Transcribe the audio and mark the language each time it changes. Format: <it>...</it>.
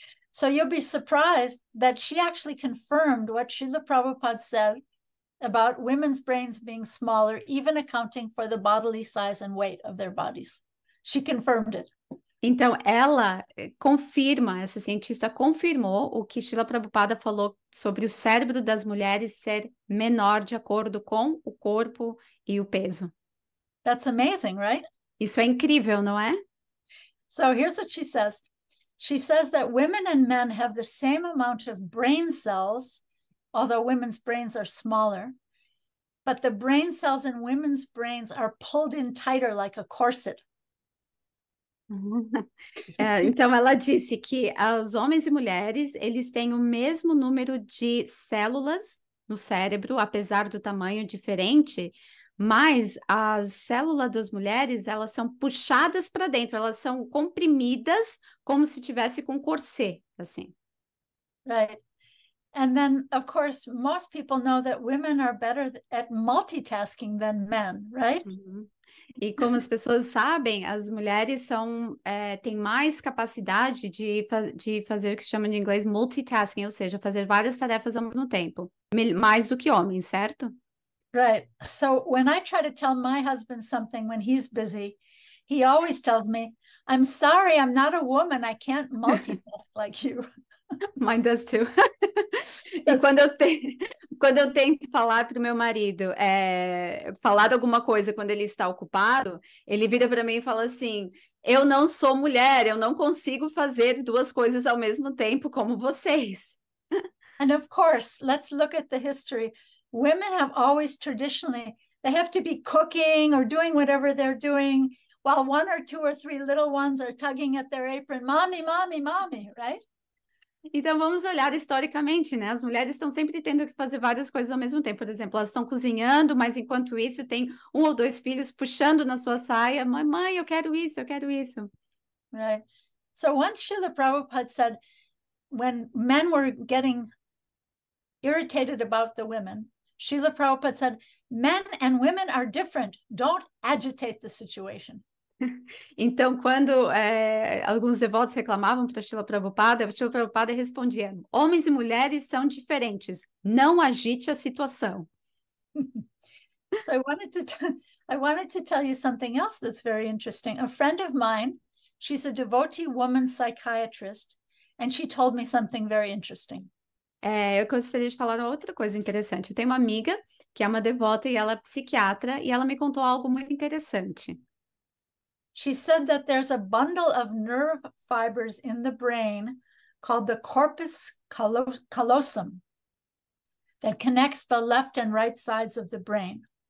<en>So you'll be surprised that she actually confirmed what Srila Prabhupada said about women's brains being smaller, even accounting for the bodily size and weight of their bodies. She confirmed it.</en> <pt>Então, ela confirma, essa cientista confirmou o que Srila Prabhupada falou sobre o cérebro das mulheres ser menor de acordo com o corpo e o peso.</pt> <en>That's amazing, right?</en> <pt>Isso é incrível, não é?</pt> <en>So, here's what she says. She says that women and men have the same amount of brain cells, although women's brains are smaller, But the brain cells in women's brains are pulled in tighter like a corset.</en> <pt>Então, ela disse que os homens e mulheres, eles têm o mesmo número de células no cérebro, apesar do tamanho diferente, mas as células das mulheres, elas são puxadas para dentro, elas são comprimidas como se tivesse com corset, assim.</pt> <en>Right. And then, of course, most people know that women are better at multitasking than men, right?</en> <pt>Uhum. E como as pessoas sabem, as mulheres são, têm mais capacidade de fazer o que chamam de inglês multitasking, ou seja, fazer várias tarefas ao mesmo tempo, mais do que homens, certo?</pt> <en>Right. So when I try to tell my husband something when he's busy, he always tells me, I'm sorry, I'm not a woman, I can't multitask like you. Mine does too.</en> <pt>E quando eu tento falar para o meu marido, falar alguma coisa quando ele está ocupado, ele vira para mim e fala assim, eu não sou mulher, eu não consigo fazer duas coisas ao mesmo tempo como vocês.</pt> <en>And of course, let's look at the history. Women have always traditionally, they have to be cooking or doing whatever they're doing while one or two or three little ones are tugging at their apron, mommy, mommy, mommy, right?</en> <pt>Então, vamos olhar historicamente, né? As mulheres estão sempre tendo que fazer várias coisas ao mesmo tempo. Por exemplo, elas estão cozinhando, mas enquanto isso, tem um ou dois filhos puxando na sua saia. Mamãe, eu quero isso, eu quero isso.</pt> <en>Right. So, once Srila Prabhupada said, when men were getting irritated about the women, Srila Prabhupada said, men and women are different. Don't agitate the situation.</en> <pt>Então, quando alguns devotos reclamavam para Srila Prabhupada respondia, homens e mulheres são diferentes, não agite a situação.</pt> <en>So I wanted to tell you something else that's very interesting. A friend of mine, she's a devotee woman psychiatrist, and she told me something very interesting.</en> <pt>Eu gostaria de falar outra coisa interessante. Eu tenho uma amiga que é uma devota e ela é psiquiatra, e ela me contou algo muito interessante.</pt> <en>She said that there's a bundle of nerve fibers in the brain called the corpus callosum that connects the left and right sides of the brain.</en>